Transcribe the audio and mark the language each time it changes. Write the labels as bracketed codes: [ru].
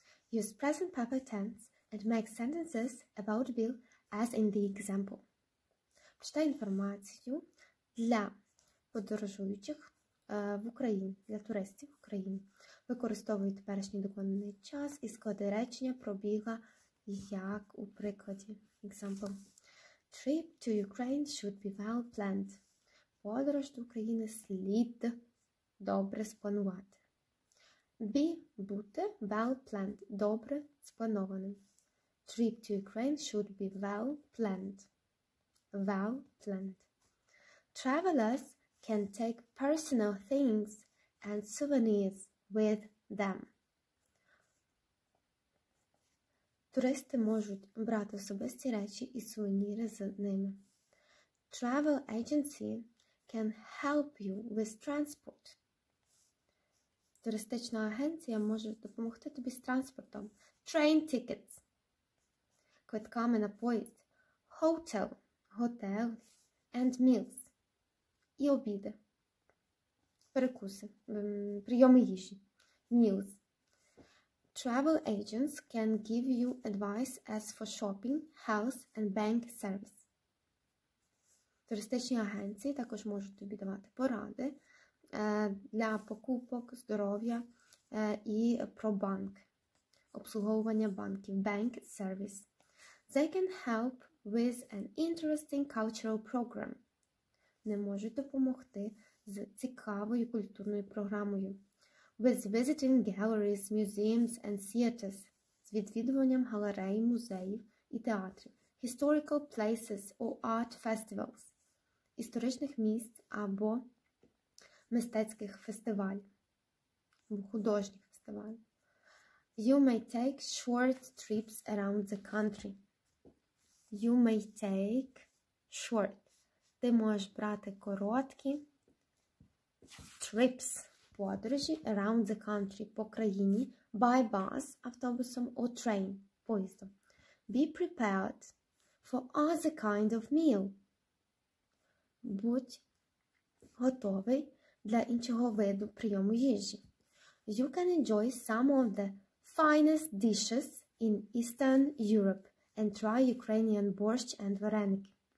[en] Use present perfect tense and make sentences about Bill as in the example. [uk] Читай інформацію для подорожуючих в Україні, для туристів в Україні. Використовую теперішній доконаний час і склади речення пробіга, як у прикладі. [en] Example. Trip to Ukraine should be well planned. [uk] Подорож до України слід добре спланувати. [en] Be – [uk] бути [en] well planned, [uk] добре спланованим. [en] Trip to Ukraine should be well planned. Well planned. Travelers can take personal things and souvenirs with them. [uk] Туристи можуть брати особисті речі і сувеніри з ними. [en] Travel agency can help you with transport. [uk] Туристична агенція може допомогти тобі з транспортом. [en] Train tickets. [uk] Квитками на поїзд. [en] Hotel. Hotel. And meals. [uk] І обіди. Перекуси. Прийоми їжі. [en] Meals. Travel agents can give you advice as for shopping, health and bank service. [uk] Туристичні агенції також можуть тобі давати поради для покупок, здоров'я і про банк. Обслуговування банків. [en] Bank service. They can help with an interesting cultural program. [uk] Не можуть допомогти з цікавою культурною програмою. [en] With visiting galleries, museums and theaters. [uk] З відвідуванням галерей, музеїв і театрів. [en] Historical places or art festivals. [uk] Історичних місць або мистецьких фестивалів. Художніх фестивалів. [en] You may take short trips around the country. You may take short. [uk] Ти можеш брати короткі [en] trips, [uk] подорожі [en] around the country, [uk] по країні, [en] by bus, [uk] автобусом, [en] or train, [uk] поїздом. [en] Be prepared for other kind of meal. [uk] Будь готовий для іншого виду прийому їжі. [en] You can enjoy some of the finest dishes in Eastern Europe and try Ukrainian borscht and vareniki.